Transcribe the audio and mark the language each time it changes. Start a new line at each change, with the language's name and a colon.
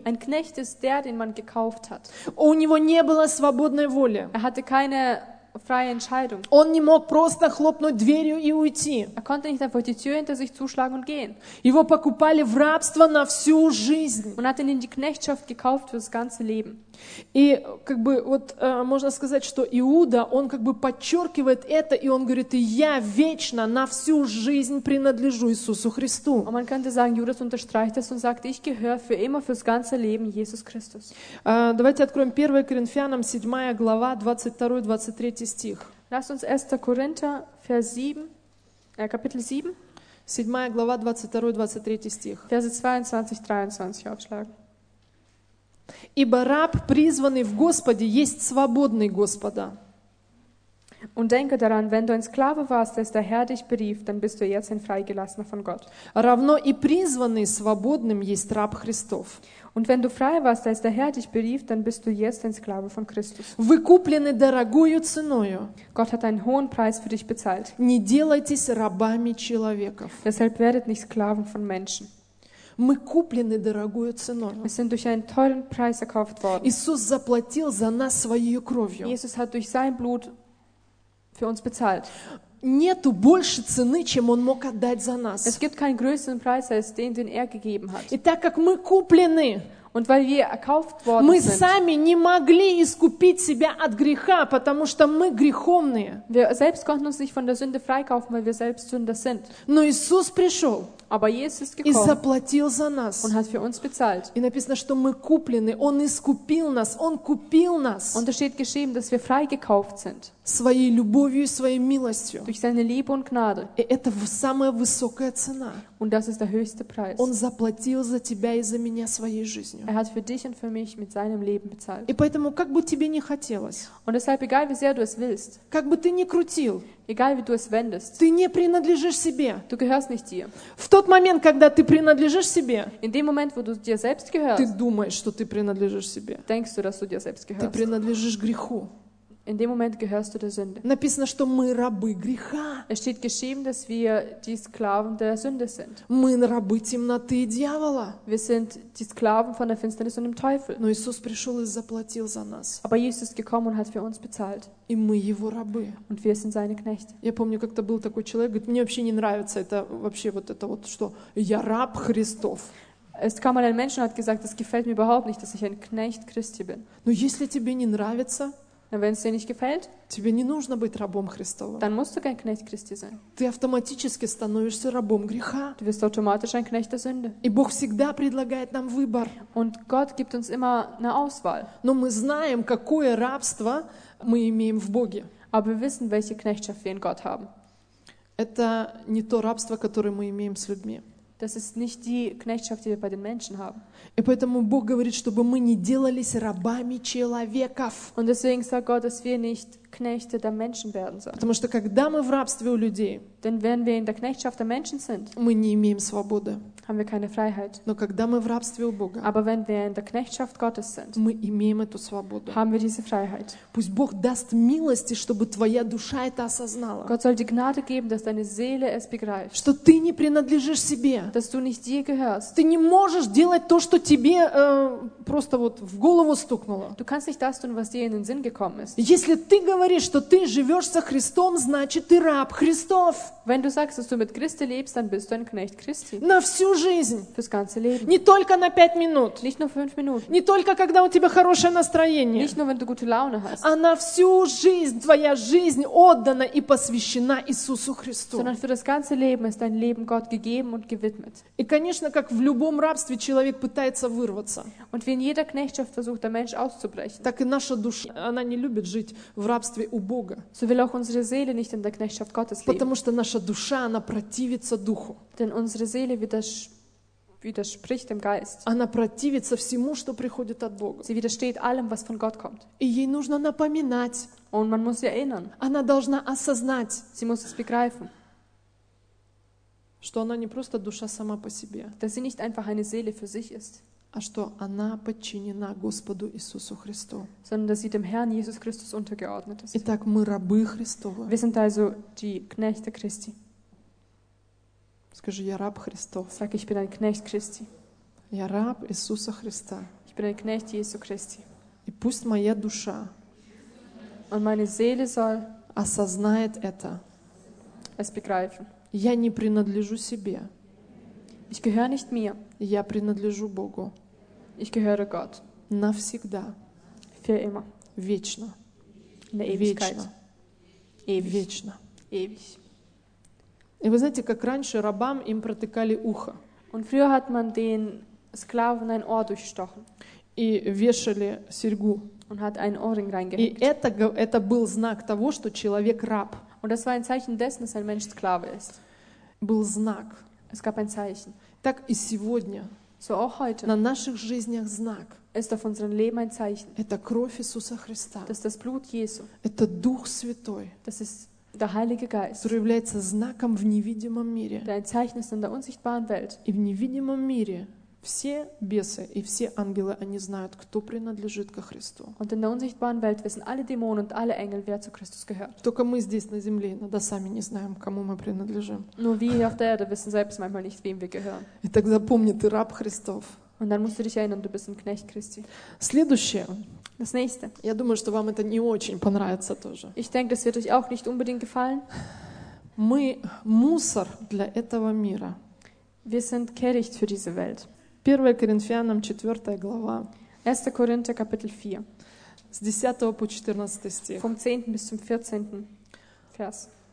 German: Ein Knecht ist der, den man gekauft hat.
Russian: У него не было свободной воли.
German: Er hatte keine freie Entscheidung.
Russian: Он не мог просто хлопнуть дверью и уйти.
German: Er konnte nicht einfach die Tür hinter sich zuschlagen und gehen.
Russian: Его покупали в рабство на всю жизнь.
German: Man hat ihn in die Knechtschaft gekauft für das ganze Leben.
Russian: И как бы вот можно сказать, что Иуда, он как бы подчеркивает это, и он говорит: «Я вечно на всю жизнь принадлежу Иисусу Христу».
German: Und man könnte sagen, Judas unterstreicht das und sagt: «Ich gehöre für immer, fürs ganze Leben Jesus Christus».
Russian: Давайте откроем 1 Коринфянам 7 глава 22-23 стих.
German: Lass uns 1. Korinther Vers 7, Kapitel 7.
Russian: 7 глава 22-23 стих.
German: Verse 22-23 aufschlagen.
Russian: Ибо раб, призванный в Господе, есть свободный Господа.
German: Und denke daran, wenn du ein Sklave warst, dass der Herr dich berief, dann bist du jetzt ein Freigelassener von Gott.
Russian: Равно и призванный свободным есть раб Христов.
German: Und wenn du frei warst, dass der Herr dich berief, dann bist du jetzt ein Sklave von Christus.
Russian: Выкуплены дорогою ценою.
German: Gott hat einen hohen Preis für dich bezahlt.
Russian: Не делайтесь рабами человеков.
German: Deshalb werdet nicht Sklaven von Menschen.
Russian: Мы куплены дорогою ценой.
German: Wir sind durch einen teuren Preis erkauft worden.
Russian: Иисус заплатил за нас своей кровью.
German: Jesus hat durch sein Blut für uns bezahlt.
Russian: Нету больше цены, чем он мог отдать за нас.
German: Es gibt keinen größeren Preis als den, den er gegeben hat.
Russian: И так как мы куплены,
German: und weil wir erkauft worden
Russian: мы
German: sind,
Russian: сами не могли искупить себя от греха, потому что мы греховные.
German: Wir selbst konnten uns nicht von der Sünde freikaufen, weil wir selbst Sünder sind.
Russian: Но Иисус пришел.
German: Aber Jesus ist gekommen
Russian: и заплатил за нас.
German: Und hat für uns bezahlt.
Russian: И написано, что мы куплены. Он искупил нас. Он купил нас.
German: Und es steht geschrieben, dass wir freigekauft sind.
Russian: Своей любовью и своей милостью.
German: Durch seine Liebe und Gnade.
Russian: И это самая высокая цена.
German: Und das ist der höchste Preis.
Russian: Он заплатил за тебя и за меня своей жизнью.
German: Er hat für dich und für mich mit seinem Leben bezahlt.
Russian: И поэтому, как бы тебе ни хотелось,
German: und deshalb, egal wie sehr du es willst,
Russian: как бы ты ни крутил,
German: egal wie du es wendest,
Russian: ты не принадлежишь себе.
German: Du gehörst nicht dir.
Russian: В тот момент, когда ты принадлежишь себе,
German: in dem Moment, wo du dir selbst gehörst,
Russian: ты думаешь, что ты принадлежишь себе.
German: Denkst du, dass du dir selbst gehörst.
Russian: Ты принадлежишь греху.
German: In dem Moment gehörst du der Sünde.
Russian: Написано, что мы рабы греха.
German: Es steht geschrieben, dass wir die Sklaven der Sünde sind.
Russian: Мы рабы темноты и дьявола.
German: Wir sind die Sklaven von der Finsternis und dem Teufel.
Russian: Но Иисус пришел и заплатил за нас.
German: Aber Jesus gekommen und hat für uns bezahlt.
Russian: И мы его рабы.
German: Und wir sind seine Knechte.
Russian: Я помню, как-то был такой человек, говорит, мне вообще не нравится это вообще вот это вот что я раб Христов.
German: Es kam mal ein Mensch und hat gesagt, das gefällt mir überhaupt nicht, dass ich ein Knecht Christi bin.
Russian: Но если тебе не нравится,
German: wenn es dir nicht gefällt,
Russian: тебе не нужно быть рабом Христовым.
German: Dann musst du kein Knecht Christi sein.
Russian: Ты автоматически становишься рабом греха.
German: Du wirst automatisch ein Knecht der Sünde.
Russian: И Бог всегда предлагает нам выбор.
German: Und Gott gibt uns immer eine Auswahl.
Russian: Но мы знаем, какое рабство мы имеем в Боге.
German: Aber wir wissen, welche Knechtschaft wir in Gott haben.
Russian: Это не то рабство, которое мы имеем с людьми.
German: Das ist nicht die Knechtschaft, die wir bei den Menschen haben.
Russian: И поэтому Бог говорит, чтобы мы не делались рабами человеков.
German: Und deswegen sagt Gott, dass wir nicht Knechte der Menschen werden sollen.
Russian: Потому что когда мы в рабстве у людей,
German: denn wenn wir in der Knechtschaft der Menschen sind,
Russian: мы не имеем свободы.
German: Haben wir keine Freiheit.
Russian: Но когда мы в рабстве у Бога,
German: aber wenn wir in der Knechtschaft Gottes sind,
Russian: мы имеем эту свободу.
German: Haben wir diese Freiheit.
Russian: Пусть Бог даст милости, чтобы твоя душа это осознала.
German: Gott soll dir Gnade geben, dass deine Seele es begreift.
Russian: Что ты не принадлежишь себе.
German: Dass du nicht dir gehörst.
Russian: Ты не можешь делать то, что тебе просто вот в голову стукнуло.
German: Du kannst nicht das tun, was dir in den Sinn gekommen ist.
Russian: Если ты говоришь, что ты живешь со Христом, значит ты раб Христов.
German: Wenn du sagst, dass du mit Christi lebst, dann bist du ein Knecht Christi.
Russian: На всю жизнь.
German: Fürs ganze Leben.
Russian: Не только на 5 минут.
German: Nicht nur 5 Minuten.
Russian: Не только когда у тебя хорошее настроение.
German: Nicht nur wenn du gute Laune hast.
Russian: А на всю жизнь твоя жизнь отдана и посвящена Иисусу Христу.
German: Sondern für das ganze Leben ist dein Leben Gott gegeben und gewidmet.
Russian: И, конечно, как в любом рабстве человек пытается вырваться.
German: Und wie in jeder Knechtschaft versucht der Mensch auszubrechen.
Russian: Так и наша душа, она не любит жить в рабстве у Бога.
German: So will auch unsere Seele nicht in der Knechtschaft Gottes leben.
Russian: Потому что наша душа, она противится духу.
German: Denn unsere Seele widerspricht dem Geist.
Russian: Она противится всему, что приходит от Бога.
German: Sie widersteht allem, was von Gott kommt.
Russian: И ей нужно напоминать.
German: Und man muss sie erinnern.
Russian: Она должна осознать.
German: Sie muss es begreifen.
Russian: Что она не просто душа сама по себе.
German: Dass sie nicht einfach eine Seele für sich ist.
Russian: А что она подчинена Господу Иисусу Христу.
German: Sondern dass sie dem Herrn Jesus Christus untergeordnet ist.
Russian: Итак, мы рабы Христовы.
German: Wir sind also die Knechte Christi.
Russian: Скажи, я раб Христов.
German: Sag, ich bin ein Knecht Christi.
Russian: Я раб Иисуса Христа.
German: Ich bin ein Knecht Jesu Christi.
Russian: И пусть моя душа
German: und meine Seele soll
Russian: осознает это.
German: Es begreifen.
Russian: Я не принадлежу себе.
German: Ich gehöre nicht mir.
Russian: Я принадлежу Богу.
German: Ich gehöre Gott.
Russian: Навсегда.
German: Für immer.
Russian: Вечно.
German: In der Ewigkeit. Ewig.
Russian: Вечно.
German: Ewig.
Russian: И вы знаете, как раньше рабам им протыкали ухо.
German: Und früher hat man den Sklaven ein Ohr durchstochen.
Russian: И вешали серьгу.
German: Und hat einen Ohrring reingehängt.
Russian: И это был знак того, что человек раб.
German: Und das war ein Zeichen dessen, dass ein Mensch Sklave ist.
Russian: Был знак.
German: Es gab ein Zeichen.
Russian: Так и сегодня.
German: So auch heute.
Russian: На наших жизнях знак.
German: Ist auf unserem Leben ein Zeichen.
Russian: Это кровь Иисуса Христа.
German: Das ist das Blut Jesu.
Russian: Это Дух Святой.
German: Das ist der Heilige Geist.
Russian: Который является знаком в невидимом мире.
German: Der ein Zeichen ist in der unsichtbaren Welt.
Russian: И в невидимом мире все бесы и все ангелы, они знают, кто принадлежит ко Христу.
German: Und in der unsichtbaren Welt wissen alle Dämonen und alle Engel, wer zu Christus gehört.
Russian: Только мы здесь на земле иногда сами не знаем, кому мы принадлежим.
German: Nur wir hier auf der Erde wissen selbst manchmal nicht, wem wir gehören.
Russian: И так запомни, ты раб Христов.
German: Und dann musst du dich erinnern, du bist ein Knecht Christi.
Russian: Следующее.
German: Das nächste.
Russian: Я думаю, что вам это не очень понравится тоже.
German: Ich denke, das wird euch auch nicht unbedingt gefallen.
Russian: Мы мусор для этого мира.
German: Wir sind Kehricht für diese Welt.
Russian: 1 Коринфянам 4 глава.
German: 1. Korinther Kapitel 4.
Russian: С 10 по 14 стих.
German: Vom 10. bis zum 14. Vers.